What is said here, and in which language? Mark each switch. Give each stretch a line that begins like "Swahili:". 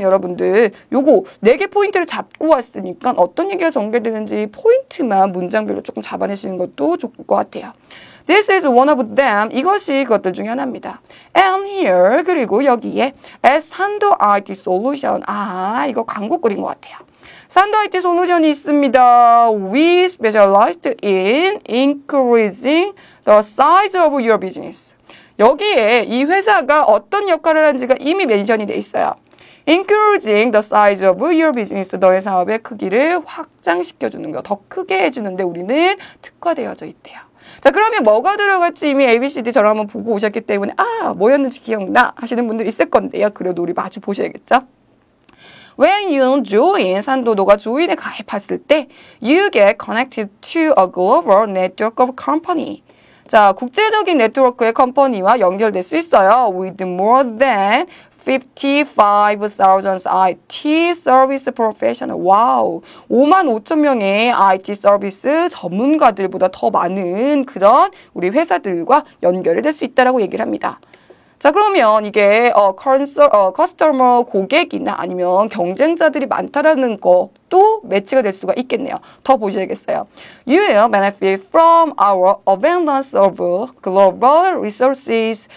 Korean: 여러분들 요거 네 개 포인트를 잡고 왔으니까 어떤 얘기가 전개되는지 포인트만 문장별로 조금 잡아내시는 것도 좋을 것 같아요.
English: This is one of them.
Korean: 이것이 그것들 중에 하나입니다.
English: And here,
Korean: 그리고 여기에
English: Sando IT Solution.
Korean: 아, 이거 광고 글인 것 같아요. Sando IT Solution이 있습니다.
English: We specialized in increasing the size of your business.
Korean: 여기에 이 회사가 어떤 역할을 하는지가 이미 멘션이 돼 있어요.
English: Increasing the size of your business,
Korean: 너의 사업의 크기를 확장시켜주는 거, 더 크게 해주는데 우리는 특화되어져 있대요. 자, 그러면 뭐가 들어갈지 이미 ABCD 저랑 한번 보고 오셨기 때문에 아, 뭐였는지 기억나 하시는 분들 있을 건데요. 그래도 우리 마주 보셔야겠죠?
English: When you join,
Korean: 산도도가 조인에 가입했을 때
English: you get connected to a global network of company.
Korean: 자, 국제적인 네트워크의 컴퍼니와 연결될 수 있어요.
English: With more than
Korean: 55,000 IT 서비스 프로페셔널. 와우. 5만 5천 명의 IT 서비스 전문가들보다 더 많은 그런 우리 회사들과 연결이 될수 있다라고 얘기를 합니다. 자, 그러면 이게 커스터머 고객이나 아니면 경쟁자들이 많다라는 것도 매치가 될 수가 있겠네요. 더 보셔야겠어요.
English: You will benefit from our abundance of global resources.